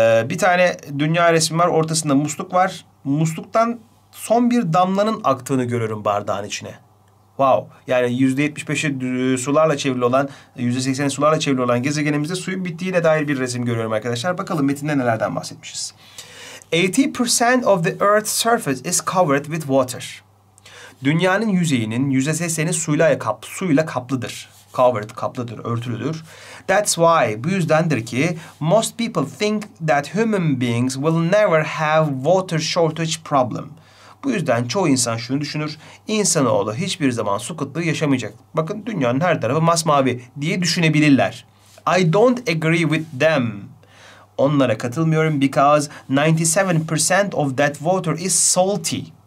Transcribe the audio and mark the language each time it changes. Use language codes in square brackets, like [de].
[tr] Bir tane dünya resmi var. Ortasında musluk var. Musluktan son bir damlanın aktığını görüyorum bardağın içine. Wow. Yani %75'i sularla çevrili olan, %80'i sularla çevrili olan gezegenimizde suyun bittiğine dair bir resim görüyorum arkadaşlar. Bakalım metinde nelerden bahsetmişiz. [en] 80% of the Earth's surface is covered with water. [tr] Dünyanın yüzeyinin %80'i suyla kaplıdır. [en] Covered, [tr] kaplıdır, örtülüdür. [en] That's why, [tr] bu yüzdendir ki, [en] most people think that human beings will never have water shortage problem. [tr] Bu yüzden çoğu insan şunu düşünür, insanoğlu hiçbir zaman su kıtlığı yaşamayacak. Bakın dünyanın her tarafı masmavi diye düşünebilirler. [en] I don't agree with them. [tr] Onlara katılmıyorum [en] because 97% of that water is salty.